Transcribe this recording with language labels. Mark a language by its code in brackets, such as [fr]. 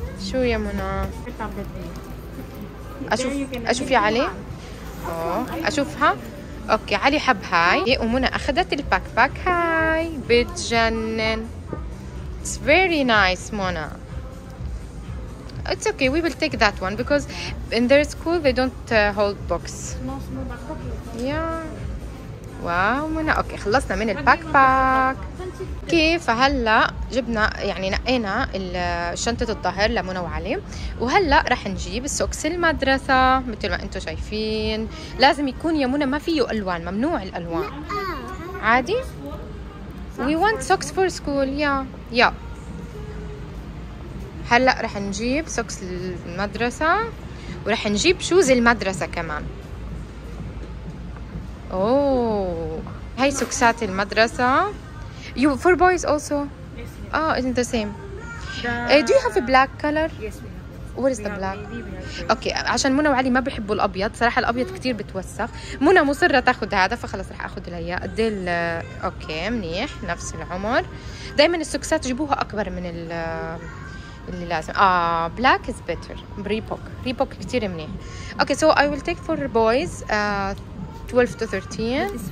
[ar] شو يا منى؟ أشوف أشوف علي؟ أوه. اشوفها. اوكي علي حب هاي ومنى اخذت الباك باك. هاي بتجنن. [en] It's very nice منى. It's okay we will take that one because in their school they don't hold books. [ar] واو منى اوكي خلصنا من الباك باك. كيف هلا جبنا يعني نقينا شنطة الظهر لمنى وعلي، وهلا رح نجيب سوكس المدرسة مثل ما انتم شايفين. لازم يكون يا منى ما فيه الوان، ممنوع الالوان. عادي؟ [en] We want socks for school. Yeah. Yeah. [ar] هلا رح نجيب سوكس المدرسة ورح نجيب شوز المدرسة كمان. اوه هاي سوكسات المدرسة. [en] You for boys also? Yes. Oh, isn't the same. Do you have a black color? Yes, we have. What is the black? [ar] Okay, عشان منى وعلي ما بحبوا الأبيض، صراحة الأبيض كتير بتوسخ. منى مصرة تاخذ هذا، فخلص رح آخذ لها إياه. قد ال أوكي منيح نفس العمر. دائما السوكسات جيبوها أكبر من ال اللي لازم. [en] Black is better. Reebok. [ar] Reebok كتير منيح. [en] Okay, so I will take for boys 12 to 13.